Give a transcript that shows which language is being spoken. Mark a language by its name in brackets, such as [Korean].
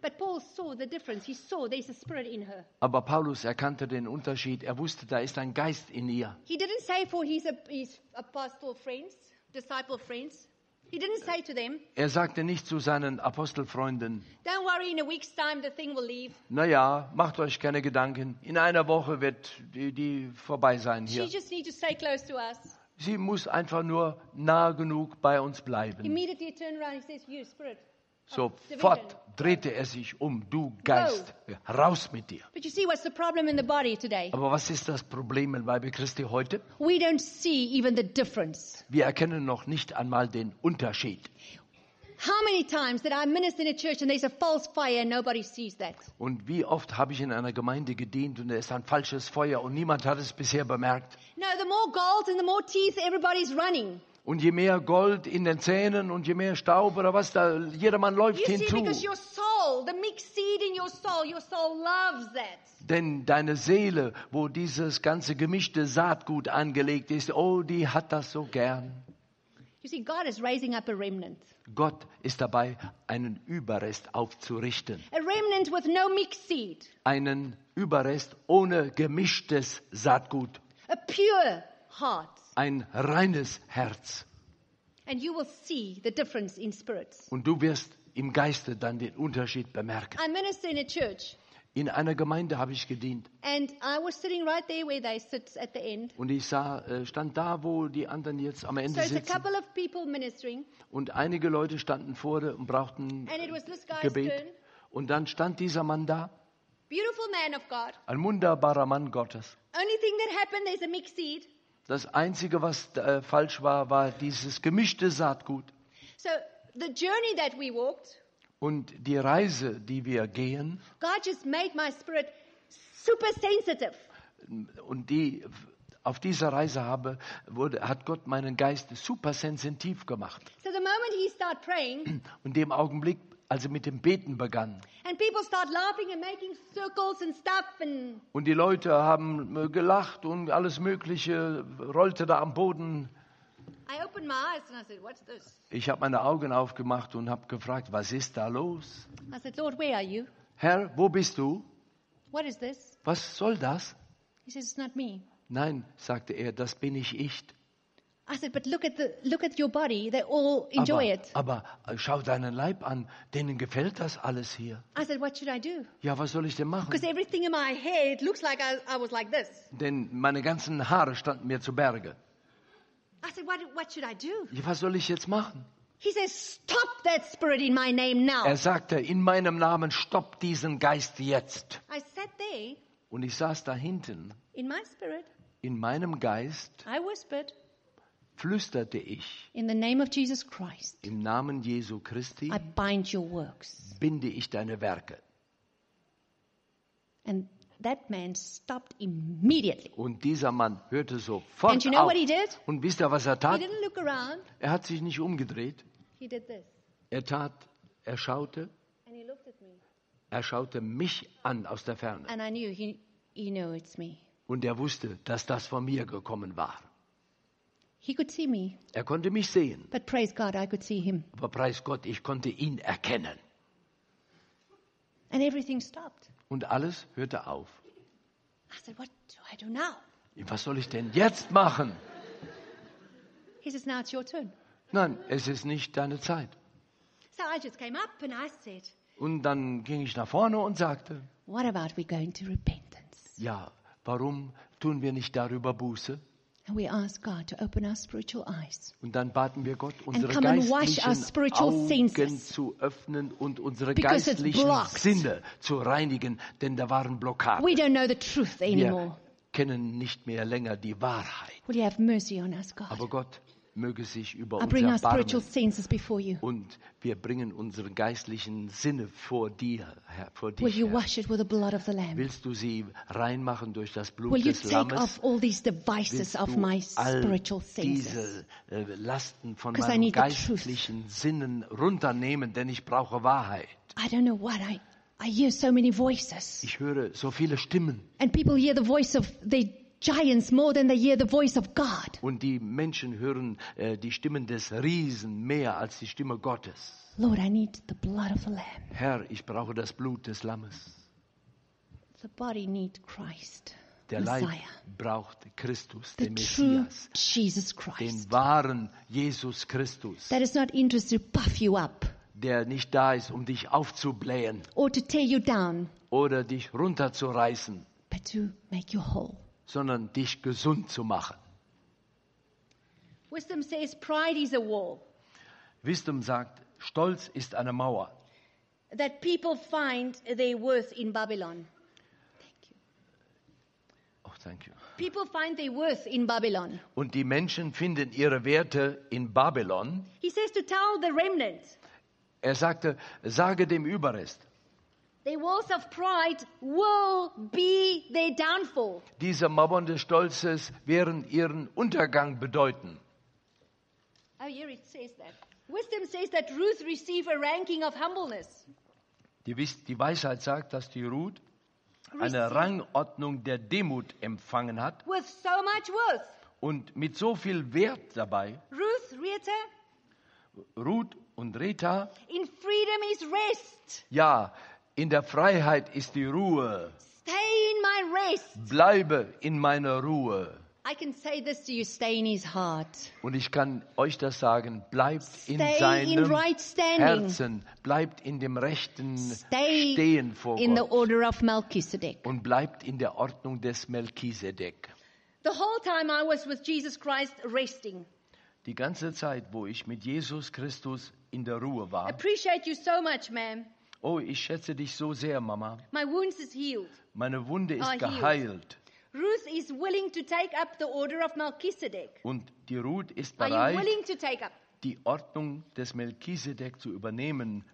[English] But Paul saw the difference. He saw there's a spirit in her. [German] Aber Paulus erkannte den Unterschied. Er wusste, da ist ein Geist in ihr. [English] He didn't say for his apostle friends, disciple friends. He didn't say to them, [German] er sagte nicht zu seinen Apostelfreunden, [English] don't worry, in a week's time the thing will leave. [German] Naja, macht euch keine Gedanken. In einer Woche wird die vorbei sein hier. [English] She just need to stay close to us. [German] Sie muss einfach nur nah genug bei uns bleiben. [English] Immediately turn around, he says, you, spirit. [German] Sofort drehte er sich um. Du Geist, raus mit dir. [English] But you see, what's the problem in the body today? [German] Aber was ist das Problem im Leibe Christi heute? [English] We don't see even the difference. [German] Wir erkennen noch nicht einmal den Unterschied. [English] How many times did I minister in a church and there's a false fire and nobody sees that? [German] Und wie oft habe ich in einer Gemeinde gedient und da ist ein falsches Feuer und niemand hat es bisher bemerkt? [English] No, the more gold and the more teeth, everybody's running. [German] Und je mehr Gold in den Zähnen und je mehr Staub oder was, da jedermann läuft hinzu. [English] Because your soul, the mixed seed in your soul loves that. [German] Denn deine Seele, wo dieses ganze gemischte Saatgut angelegt ist, oh, die hat das so gern. [English] You see, God is raising up a remnant. [German] Gott ist dabei, einen Überrest aufzurichten. [English] A remnant with no mixed seed. [German] Einen Überrest ohne gemischtes Saatgut. [English] A pure heart. [German] Ein reines Herz. [English] And you will see the difference in spirits. [German] Und du wirst im Geiste dann den Unterschied bemerken. [English] I minister in a church. [German] In einer Gemeinde habe ich gedient. [English] And I was sitting right there where they sit at the end. [German] Und ich sah, stand da, wo die anderen jetzt am Ende sitzen. [English] So it's a couple of people ministering. [German] Und einige Leute standen vor und brauchten Gebet. Und dann stand dieser Mann da. [English] Beautiful man of God. [German] Ein wunderbarer Mann Gottes. [English] Only thing that happened, there's a mixed seed. [German] Das Einzige, was falsch war, war dieses gemischte Saatgut. [English] So the journey that we walked. [German] Und die Reise, die wir gehen, [English] God just made my spirit super sensitive. [German] Und die auf dieser Reise habe, wurde, hat Gott meinen Geist super sensitiv gemacht. [English] So the moment he start praying, [German] und dem Augenblick, als er mit dem Beten begann, [English] and people start laughing and making circles and stuff and, [German] und die Leute haben gelacht und alles Mögliche rollte da am Boden. [English] I opened my eyes and I said, "What's this?" [German] Ich habe meine Augen aufgemacht und habe gefragt, was ist da los? [English] I said, "Lord, where are you?" [German] Herr, wo bist du? [English] What is this? [German] Was soll das? [English] He says, "It's not me." [German] Nein, sagte er, das bin ich nicht. [English] I said, "But look at your body. They all enjoy it." [German] Aber schau deinen Leib an. Denen gefällt das alles hier. [English] I said, "What should I do?" [German] Ja, was soll ich denn machen? [English] Because everything in my head looks like I was like this. [German] Denn meine ganzen Haare standen mir zu Berge. [English] I said, what should I do? [German] Ja, was soll ich jetzt machen? [English] He says, stop that spirit in my name now. [German] Er sagte, in meinem Namen stopp diesen Geist jetzt. [English] I sat there. [German] Und ich saß da hinten. [English] In my spirit. [German] In meinem Geist. [English] I whispered. [German] Flüsterte ich. [English] In the name of Jesus Christ. [German] Im Namen Jesu Christi. [English] I bind your works. [German] Binde ich deine Werke. [English] And that man stopped immediately. [German] Und dieser Mann hörte sofort [English] and you know [German] auf. [English] What he did? [German] Und wisst ihr, was er tat? [English] He didn't look around. [German] Er hat sich nicht umgedreht. [English] He did this. [German] Er schaute. [English] And he looked at me. [German] Er schaute mich an aus der Ferne. [English] And I knew he knew it's me. [German] Und er wusste, dass das von mir gekommen war. [English] He could see me. [German] Er konnte mich sehen. [English] But praise God, I could see him. [German] Aber preis Gott, ich konnte ihn erkennen. [English] And everything stopped. [German] Und alles hörte auf. [English] I said, what do I do now? [German] Was soll ich denn jetzt machen? [English] He says, now it's your turn. [German] Nein, es ist nicht deine Zeit. [English] So I just came up and I said, [German] und dann ging ich nach vorne und sagte, [English] what about we go into repentance? [German] Ja, warum tun wir nicht darüber Buße? [English] And we asked God to open our spiritual eyes. [German] Und dann baten wir Gott, unsere geistlichen Augen zu öffnen und unsere geistlichen Sinne zu reinigen, denn da waren Blockaden. [English] We don't know the truth anymore. [German] Wir kennen nicht mehr länger die Wahrheit. [English] Will you have mercy on us, God? [German] Aber Gott möge sich über uns erbarmen. [English] I bring our spiritual senses before you. [German] Und wir bringen unsere geistlichen Sinne vor dir, Herr, vor dich. [English] Will you wash it with the blood of the Lamb? [German] Willst du sie reinmachen durch das Blut will des Lammes? [English] Will you take off all these devices of my spiritual senses? [German] Diese Lasten von meinen geistlichen Sinnen runternehmen, denn ich brauche Wahrheit. [English] I don't know what I hear so many voices. [German] Ich höre so viele Stimmen. [English] And people hear the voice of the giants more than they hear the voice of God. [German] Und die Menschen hören die Stimmen des Riesen mehr als die Stimme Gottes. [English] Lord, I need the blood of the Lamb. [German] Herr, ich brauche das Blut des Lammes. [English] The body need Christ. [German] Der Leib [English] Messiah. [German] Braucht Christus, [English] the [German] den [English] true [German] Messias. [English] Jesus Christ. [German] Den wahren Jesus Christus. [English] That is not interested to puff you up. [German] Der nicht da ist, um dich aufzublähen. [English] Or to tear you down. [German] Oder dich runterzureißen. [English] But to make you whole. [German] Sondern dich gesund zu machen. [English] Wisdom says, pride is a wall. [German] Wisdom sagt, Stolz ist eine Mauer. [English] that people find their worth in Babylon. Thank you. Oh, thank you. People find their worth in Babylon. [German] Und die Menschen finden ihre Werte in Babylon. [English] He says to tell the remnant. [German] Er sagte, sage dem Überrest. [English] The walls of pride will be their downfall. [German] Diese Mauern des Stolzes werden ihren Untergang bedeuten. [English] Oh, here it says that. Wisdom says that Ruth received a ranking of humbleness. [German] Die Weisheit sagt, dass die Ruth eine Rangordnung der Demut empfangen hat. [English] With so much worth. [German] Und mit so viel Wert dabei. [English] Ruth, Rita. [German] Ruth und Rita. [English] In freedom is rest. [German] Ja, in der Freiheit ist die Ruhe. [English] Stay in my rest. [German] Bleibe in meiner Ruhe. [English] I can say this to you, stay in his heart. [German] Und ich kann euch das sagen, bleibt in seinem Herzen, bleibt in dem rechten Stehen vor Gott. [English] In the order of Melchizedek. [German] Und bleibt in der Ordnung des Melchizedek. [English] The whole time I was with Jesus Christ resting. [German] Die ganze Zeit, wo ich mit Jesus Christus in der Ruhe war. [English] Appreciate you so much, ma'am. [German] Oh, ich schätze dich so sehr, Mama. [English] My wounds is healed. [German] Meine Wunde ist geheilt. [English] Ruth is willing to take up the order of Melchizedek. [German] Und die Ruth ist bereit, die Ordnung des Melchizedek zu übernehmen.